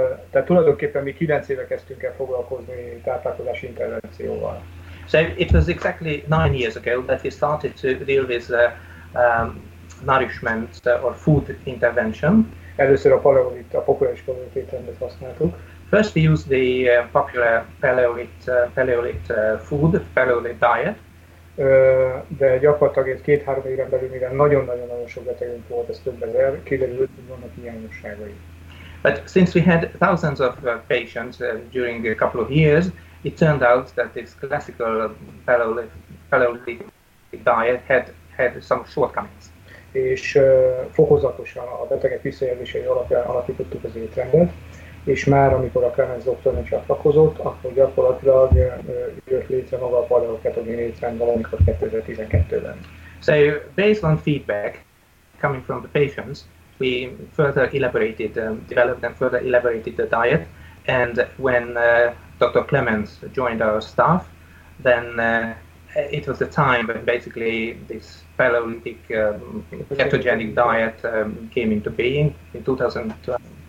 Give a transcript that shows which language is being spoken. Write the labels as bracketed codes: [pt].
[hu] Tehát tulajdonképpen mi 9 éve kezdtünk el foglalkozni táplálkozási intervencióval. [en] So it was exactly 9 years ago that we started to deal with the nourishment or food intervention. [hu] Először a paleolit, a populáris paleolit étrendet használtuk. [en] First we used the popular paleolit diet. [hu] De gyakorlatilag ez 2-3 éven belül, mivel nagyon-nagyon-nagyon sok betegünk volt, ez többen kiderült, hogy vannak hiányosságai. [en] But since we had thousands of patients during a couple of years, it turned out that this classical Paleolithic diet had some shortcomings. [hu] És fokozatosan a betegek visszajelzései alapján alakítottuk az étrendet, és már amikor a Clemens doktornak csatlakozott, akkor gyakorlatilag jött létre maga a paleoketogén étrend valamikor 2012-ben. [en] So, based on feedback coming from the patients, we further elaborated, developed and further elaborated the diet, and when Dr. Clemens joined our staff, then it was the time when basically this paleolithic ketogenic diet came into being in 2012.